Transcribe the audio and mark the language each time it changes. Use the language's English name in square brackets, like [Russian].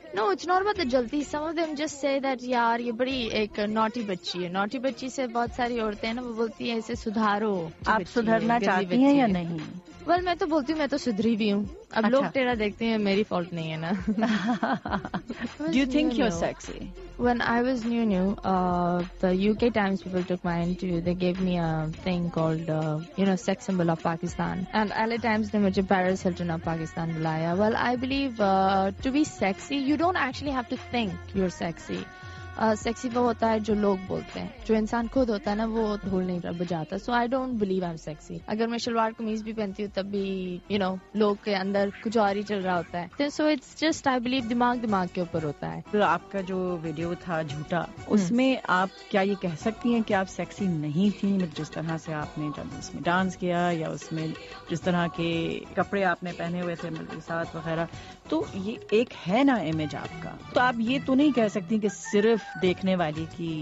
[English] no it's not about the جلتی، some of them just say that [Urdu] یار یہ بڑی ایک نوٹی بچی ہے. نوٹی بچی سے بہت ساری عورتیں ہیں نا وہ بولتی ہیں اسے سدھارو. آپ سدھرنا چاہتی ہیں یا نہیں؟ ویل میں تو بولتی ہوں میں تو سدھری بھی ہوں، اب لوگ ٹیڑھا دیکھتے ہیں میری فالٹ نہیں ہے نا. [English] Do you think you're sexy? When I was new, the UK Times people took my interview. They gave me a thing called, you know, sex symbol of Pakistan. And LA Times, they [Urdu] mujhe [English] Paris Hilton of Pakistan [Urdu] bulaya. [English] Well, I believe to be sexy, you don't actually have to think you're sexy. [Urdu] Sexy وہ ہوتا ہے جو لوگ بولتے ہیں, جو انسان خود ہوتا ہے نا وہ ڈھول نہیں رہا بجاتا. [English] So I don't believe I am sexy. [Urdu] اگر میں شلوار قمیض بھی پہنتی ہوں تب بھی [English] you know [Urdu] لوگ کے اندر کچھ اور ہی چل رہا ہوتا ہے. [English] so it's just I believe [Urdu] دماغ کے اوپر ہوتا ہے. آپ کا جو ویڈیو تھا جھوٹا, اس میں آپ کیا یہ کہہ سکتی ہیں کہ آپ سیکسی نہیں تھیں؟ جس طرح سے آپ نے اس میں ڈانس کیا یا اس میں جس طرح کے کپڑے آپ نے پہنے ہوئے تھے ملبوسات وغیرہ, تو یہ ایک ہے نا امیج آپ کا, تو آپ یہ تو نہیں کہہ سکتی کہ صرف دیکھنے والی کی.